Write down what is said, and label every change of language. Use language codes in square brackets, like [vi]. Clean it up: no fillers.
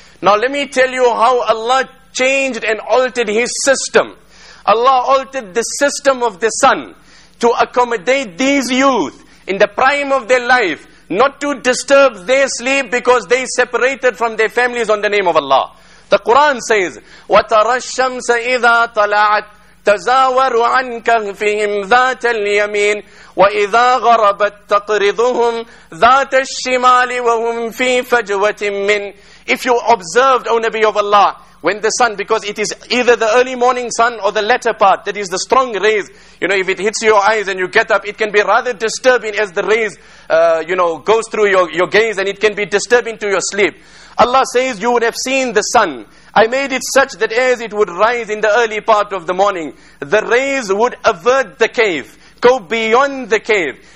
[en] Now let me tell you how Allah changed and altered His system. Allah altered the system of the sun to accommodate these youth in the prime of their life. Not to disturb their sleep because they separated from their families on the name of Allah. The Quran says, [ar] وَتَرَى الشَّمْسَ إِذَا طَلَعَتْ تَزَاوَرُ عَنْ كَهْفِهِمْ ذَاتَ الْيَمِينِ وَإِذَا غَرَبَتْ تَقْرِضُهُمْ ذَاتَ الشِّمَالِ وَهُمْ فِي فَجْوَةٍ مِّنْ. [en] If you observed, O Nabi of Allah, when the sun, because it is either the early morning sun or the latter part, that is the strong rays, you know, if it hits your eyes and you get up, it can be rather disturbing as the rays, you know, goes through your gaze and it can be disturbing to your sleep. Allah says, you would have seen the sun. I made it such that as it would rise in the early part of the morning, the rays would avert the cave, go beyond the cave.